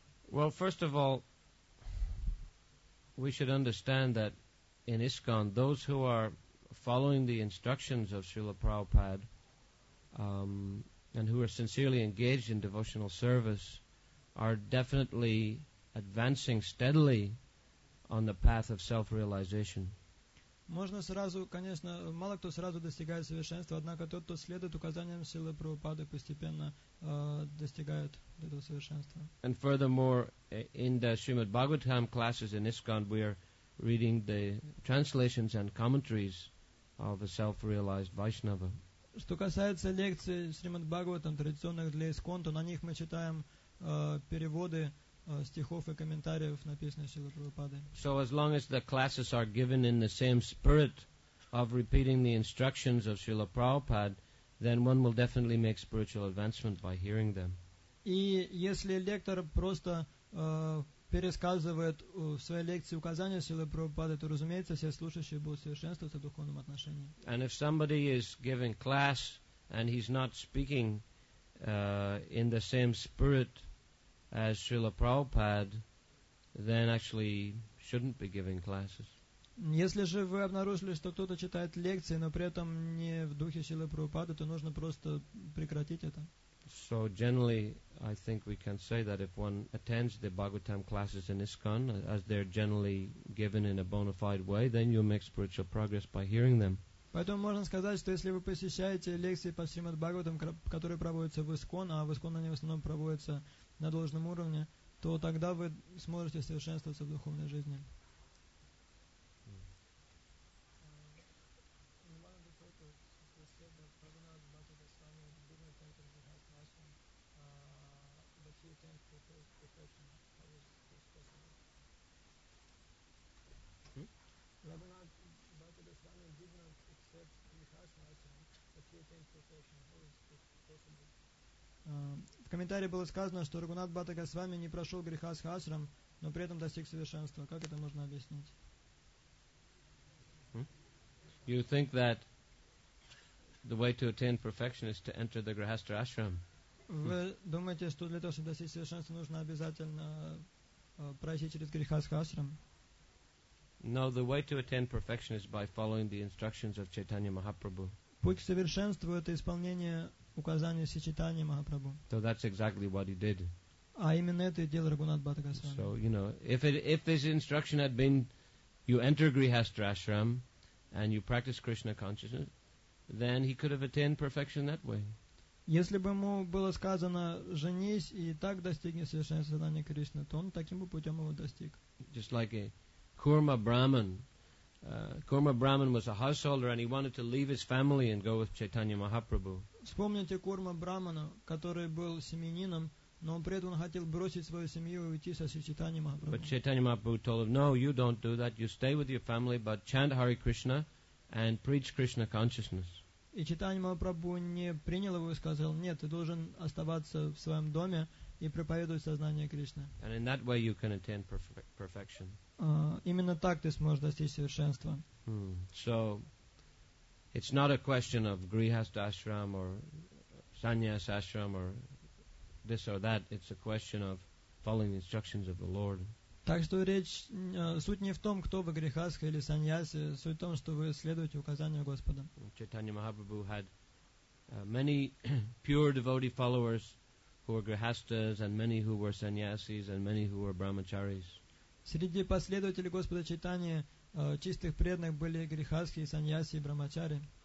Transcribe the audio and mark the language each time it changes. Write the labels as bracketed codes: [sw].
[en] Well, first of all, we should understand that in ISKCON, those who are following the instructions of Srila Prabhupada and who are sincerely engaged in devotional service are definitely advancing steadily on the path of self-realization. [ru] Можно сразу, конечно, мало кто сразу достигает совершенства, однако тот, кто следует указаниям силы Прабхупады, постепенно достигает этого совершенства. [en] And furthermore, in the Srimad Bhagavatam classes in ISKCON, we are reading the translations and commentaries of a self-realized Vaishnava. [ru] Что касается лекций Srimad Bhagavatam, традиционных для ISKCON, то на них мы читаем переводы стихов и комментариев, написанных Шрилой Прабхупадой. [en] So as long as the classes are given in the same spirit of repeating the instructions of Srila Prabhupada, then one will definitely make spiritual advancement by hearing them. [ru] И если лектор просто пересказывает в своей лекции указания Шрилы Прабхупады, то, разумеется, все слушающие будут совершенствоваться в духовном отношении. [en] And if somebody is giving class and he's not speaking in the same spirit as Srila Prabhupada, then actually shouldn't be giving classes. [ru] Если же вы обнаружили, что кто-то читает лекции, но при этом не в духе Шрилы Прабхупады, то нужно просто прекратить это. [en] So generally, I think we can say that if one attends the Bhagavatam classes in ISKCON, as they're generally given in a bona fide way, then you'll make spiritual progress by hearing them. [ru] Поэтому можно сказать, что если вы посещаете лекции по Шримад Бхагаватам, которые проводятся в ИСКОН, а в ИСКОН они в основном проводятся на должном уровне, то тогда вы сможете совершенствоваться в духовной жизни. [en] Rabbanat Bhata Goswami did not accept Grihastha [ru] В комментарии было сказано, что Рагунат Бхата Госвами не прошел греха с Хасрам, но при этом достиг совершенства. Как это можно объяснить? [en] You think that the way to attain perfection is to enter the Grihastha Ashram? [ru] Вы думаете, что для того, чтобы достичь совершенства, нужно обязательно пройти через Грихастха Ашрам? [en] No, the way to attain perfection is by following the instructions of Chaitanya Mahaprabhu. [ru] Путь к совершенству — это исполнение указаний Си Чайтаньи Махапрабху. [en] So that's exactly what he did. [ru] А именно это и делал Рагунат Бхата Госвами. [en] So, you know, if this instruction had been you enter Grihastha Ashram and you practice Krishna consciousness, then he could have attained perfection that way. [ru] Если бы ему было сказано «женись и так достигни совершенного сознания Кришны», то он таким бы путем его достиг. [en] Just like a Kurma Brahman. Kurma Brahman was a householder and he wanted to leave his family and go with Chaitanya Mahaprabhu. [ru] Вспомните Курма Брамана, который был семьянином, но при этом он хотел бросить свою семью и уйти со Чайтаньей Махапрабху. [en] But Chaitanya Mahaprabhu told him, no, you don't do that. You stay with your family, but chant Hare Krishna and preach Krishna consciousness. [ru] И Чайтанья Махапрабху не принял его и сказал, нет, ты должен оставаться в своем доме и проповедовать сознание Кришны. [en] And in that way you can attain perfection. [ru] Именно так ты сможешь достичь совершенства. [en] So, it's not a question of Grihastha Ashram or Sannyas Ashram or this or that. It's a question of following the instructions of the Lord. [ru] Так что речь, суть не в том, кто вы, грехастха или саньяси, суть в том, что вы следуете указанию Господа. [en] Чайтанья Махапрабху had many pure devotee followers who were grihasthas and many who were sannyasis and many who were brahmacharis. [ru] Среди последователей Господа Чайтаньи чистых преданных были грехастхи, саньяси и брахмачари.